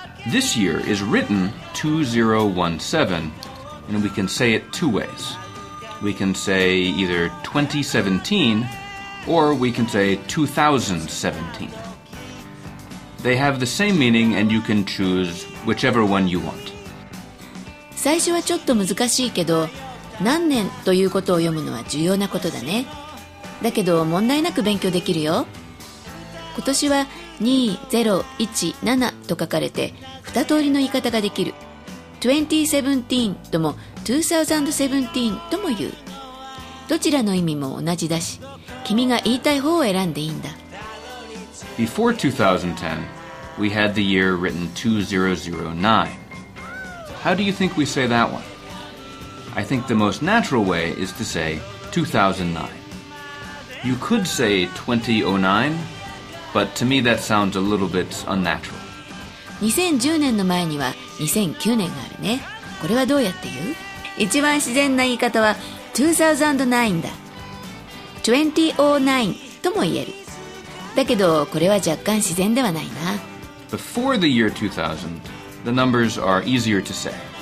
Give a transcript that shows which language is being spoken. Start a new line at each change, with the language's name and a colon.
English: This year is written 2017, and we can say it two ways. We can say either 2017 or we can say 2017. They have the same meaning and you can choose whichever one you want.
Japanese: 最初はちょっと難しいけど、何年ということを読むのは重要なことだね。だけど問題なく勉強できるよ。今年は2017と書かれて二通りの言い方ができる。 2017とも2017とも言う。どちらの意味も同じだし、君が言いたい方を選んでいいんだ。
English: Before 2010, we had the year written 2009. How do you think we say that one? I think the most natural way is to say 2009. You could say 2009, but to me that sounds a little bit unnatural.
Japanese: 2010年の前には2009年があるね。これはどうやって言う？一番自然な言い方は2009だ。2009とも言える。だけどこれは若干自然ではないな。
English: Before the year 2000, the numbers are easier to say.